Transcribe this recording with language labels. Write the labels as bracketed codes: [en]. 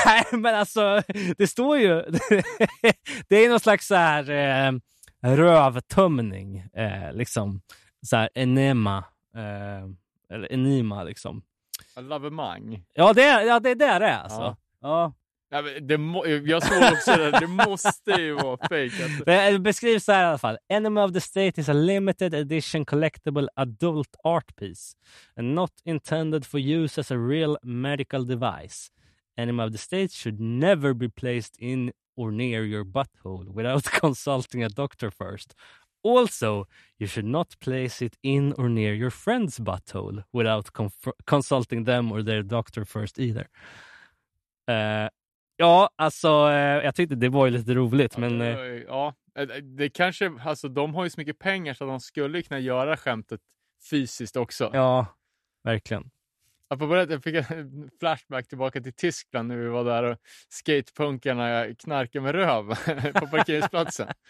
[sv] Nej, men alltså det står ju det är någon slags så här rövtömning liksom så här enema eller enima liksom. Lavemang. Ja, det är ja, det är där det är alltså. Ja. Ja. Ja, men jag såg också det, det måste ju vara fake. Det beskrivs så här i alla fall. [en] Enemy of the State is a limited edition collectible adult art piece and not intended for use as a real medical device. Enemy of the State should never be placed in or near your butthole without consulting a doctor first. Also, you should not place it in or near your friend's butthole without consulting them or their doctor first either. [sv] Ja, alltså jag tyckte det var ju lite roligt, men ja, det kanske, alltså de har ju så mycket pengar så att de skulle kunna göra skämtet fysiskt också. Ja, verkligen. Jag fick en flashback tillbaka till Tyskland när vi var där och skatepunkarna knarkade med röv på parkeringsplatsen.